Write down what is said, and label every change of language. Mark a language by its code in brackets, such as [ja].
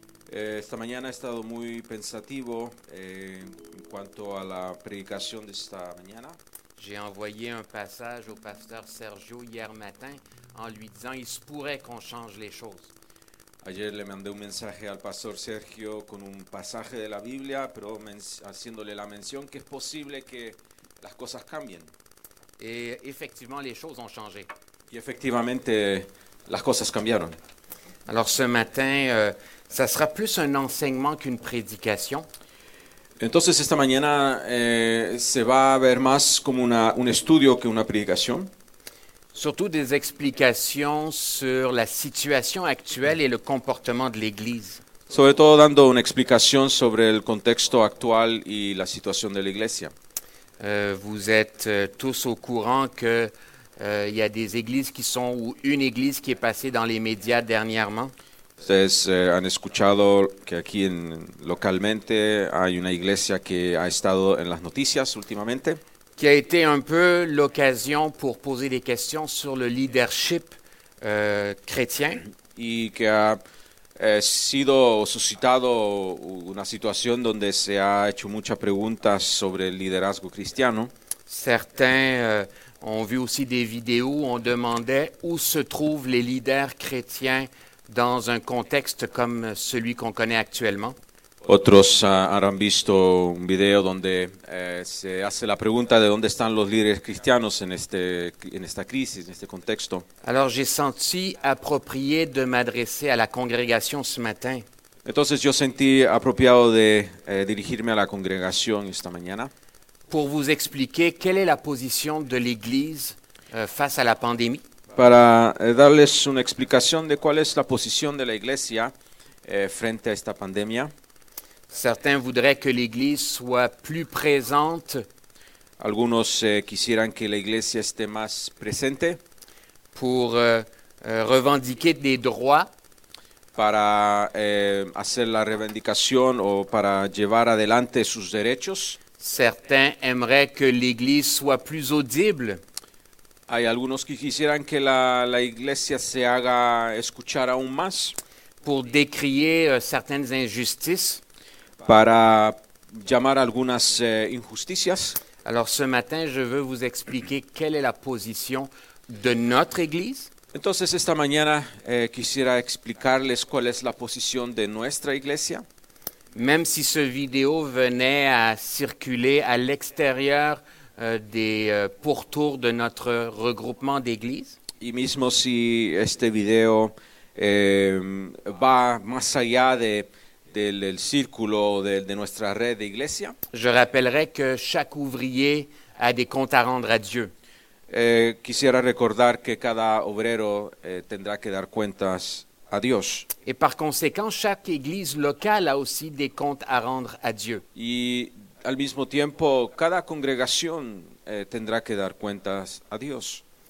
[es] Esta mañana he estado muy pensativo en cuanto a la predicación de esta mañana. [fr] J'ai envoyé un passage au pasteur Sergio hier matin en lui disant il se pourrait qu'on change les choses. [es] Ayer le mandé un mensaje al pastor Sergio con un pasaje de la Biblia, pero haciéndole la mención que es posible que las cosas cambien. [fr] Et effectivement les choses ont changé. [es] Y efectivamente las cosas cambiaron. [fr] Alors ce matin ça sera plus un enseignement qu'une prédication. [es] Entonces esta mañana se va a ver más como un estudio que una predicación. [fr] Surtout des explications sur la situation actuelle et le comportement de l'Église. [es] Sobre todo dando una explicación sobre el contexto actual y la situación de la Iglesia. [fr] Vous êtes tous au courant que il y a des églises qui sont ou une église qui est passée dans les médias dernièrement. [es] Ustedes han escuchado que aquí localmente hay una iglesia que ha estado en las noticias últimamente. [fr] Qui a été un peu l'occasion pour poser des questions sur le leadership chrétien. [es] Y que ha sido suscitado una situación donde se ha hecho muchas preguntas sobre el liderazgo cristiano. [fr] Certains ont vu aussi des vidéos où on demandait où se trouvent les leaders chrétiens dans un contexte comme celui qu'on connaît actuellement. [es] Otros han visto un video donde se hace la pregunta de dónde están los líderes cristianos en esta crisis, en este contexto. [fr] Alors j'ai senti approprié de m'adresser à la congrégation ce matin. [es] Entonces yo sentí apropiado de dirigirme a la congregación esta mañana. [fr] Pour vous expliquer quelle est la position de l'Église face à la pandémie. [es] Para darles una explicación de cuál es la posición de la Iglesia frente a esta pandemia. [fr] Certains voudraient que l'Église soit plus présente. [es] Algunos quisieran que la Iglesia esté más presente. [fr] Pour revendiquer des droits. [es] Para hacer la revendicación o para llevar adelante sus derechos. [fr] Certains aimeraient que l'Église soit plus audible. [es] Hay algunos que quisieran que la iglesia se haga escuchar aún más. [fr] Pour décrier certaines injustices. [es] Para llamar algunas injusticias. [fr] Alors ce matin, je veux vous expliquer quelle est la position de notre Église. [es] Entonces esta mañana quisiera explicarles cuál es la posición de nuestra iglesia. [fr] Même si ce vidéo venait à circuler à l'extérieur des pourtours de notre regroupement d'églises. [es] Y mismo si este video va más allá del círculo de nuestra red de iglesia. [fr] Je rappellerai que chaque ouvrier a des comptes à rendre à Dieu. [es] Quisiera recordar que cada obrero tendrá que dar cuentas a Dios. [fr] Et par conséquent, chaque église locale a aussi des comptes à rendre à Dieu. [es] Y al mismo tiempo, cada congregación tendrá que dar cuentas a Dios.